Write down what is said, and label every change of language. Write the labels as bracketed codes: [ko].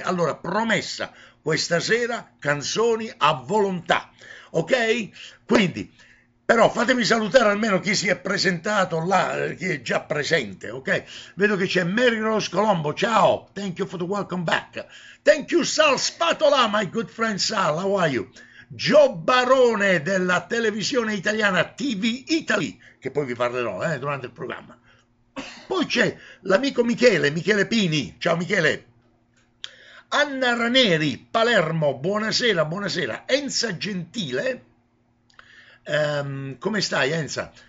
[it] Allora, promessa, questa sera canzoni a volontà, ok? Quindi... Però fatemi salutare almeno chi si è presentato là, chi è già presente, ok? Vedo che c'è [en] Mary Rose Colombo, ciao, thank you for the welcome back. Thank you Sal Spatola, my good friend Sal, how are you? [it] Gio Barone della televisione italiana TV Italy, che poi vi parlerò durante il programma. Poi c'è l'amico Michele, Michele Pini, ciao Michele. Anna Raneri, Palermo, buonasera, buonasera. Enza Gentile... come stai Enza?